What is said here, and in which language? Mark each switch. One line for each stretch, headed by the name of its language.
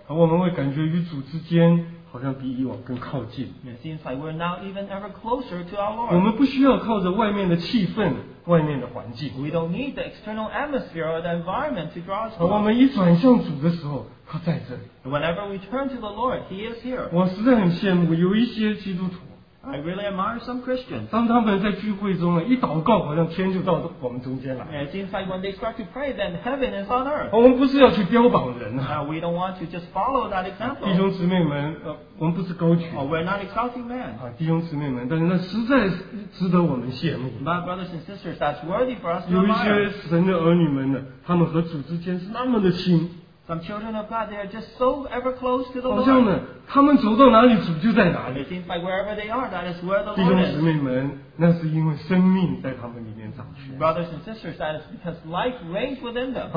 Chinese: 我们会感觉与主之间好像比以往更靠近。
English: It seems like we're now even ever closer to our Lord.
Chinese: 我们不需要靠着外面的气氛，外面的环境。
English: We don't need the external atmosphere or the environment to draw us.
Chinese: 我们一转向主的时候，他在这里。
English: Whenever we turn to the Lord, He is here.
Chinese: 我实在很羡慕有一些基督徒。
English: I really admire some Christians.
Chinese: 当他们在聚会中一祷告，好像天就到我们中间来。
English: It seems like when they start to pray, then heaven is on earth.
Chinese: 我们不是要去标榜人啊。
English: We don't want to just follow that example.
Chinese: 弟兄姊妹们，我们不是高举。
English: We're not exalting men.
Chinese: 弟兄姊妹们，但是那实在值得我们羡慕。
English: My brothers and sisters, that's worthy for us to
Chinese: 有一些神的儿女们呢，他们和主之间是那么的亲。
English: Some children of God, they are just so ever close to the Lord.
Chinese: 好像呢，他们走到哪里，主就在哪里。
English: It seems like wherever they are, that is where the Lord is.
Chinese: 弟兄姊妹们，那是因为生命在他们里面掌权。
English: Brothers and sisters, that is because life reigns within them.